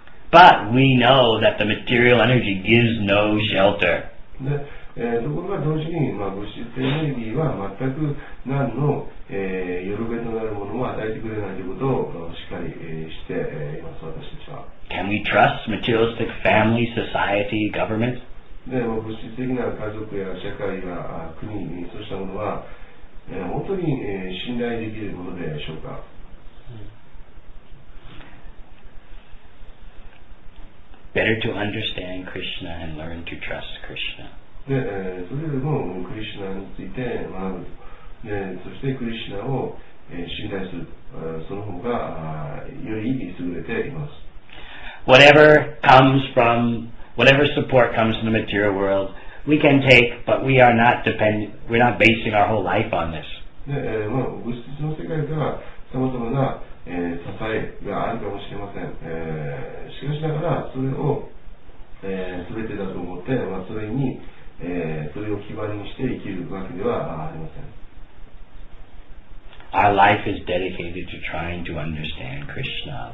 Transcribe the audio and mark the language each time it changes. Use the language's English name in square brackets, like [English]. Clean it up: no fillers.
[English] But we know that the material energy gives no shelter. [Japanese] ところが同時に、まあ、物質エネルギーは全く何の、よろべとなるものも与えてくれないということをしっかり、して、います私たちは。 [English] Can we trust materialistic family, society, government? [Japanese] で、まあ、物質的な家族や社会や国にそうしたものは、本当に、信頼できるものでしょうか。 [English] Better to understand Krishna and learn to trust Krishna. [Japanese] でそれでもクリシナについて学ぶ、でそしてクリシナを信頼する、その方がより意味優れています。 [English] Whatever comes from, whatever support comes from the material world, we can take, but we are not dependent. We're not basing our whole life on this. [Japanese] で、まあ、物質の世界からさまざまな、支えがあるかもしれません。しかしながらそれを、すべてだと思って、まあ、それにそれを基盤にして生きるわけではありません。 [English] Our life is dedicated to trying to understand Krishna.